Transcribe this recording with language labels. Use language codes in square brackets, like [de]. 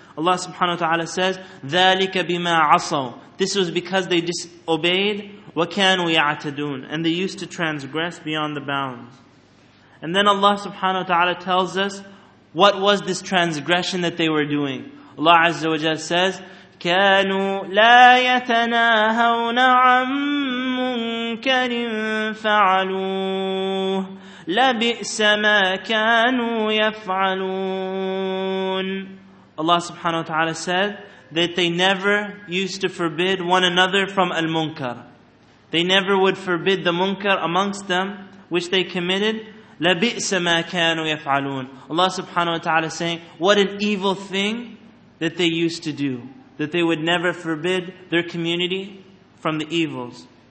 [en] Allah subhanahu wa ta'ala says, [ar] ذَلِكَ بِمَا عَصَوْا, [en] this was because they disobeyed. [ar] وَكَانُوا يَعْتَدُونَ, [en] and they used to transgress beyond the bounds. And then Allah subhanahu wa ta'ala tells us what was this transgression that they were doing. [ar] Allah azza wa jalla says, كانوا لا يتناهون عن منكر فعلوه لبئس ما كانوا يفعلون. [en] Allah subhanahu wa ta'ala said that they never used to forbid one another from al-munkar. They never would forbid the munkar amongst them, which they committed. [ar] لبئس ما كانوا يفعلون. [en] Allah subhanahu wa ta'ala saying, what an evil thing that they used to do, that they would never forbid their community from the evils.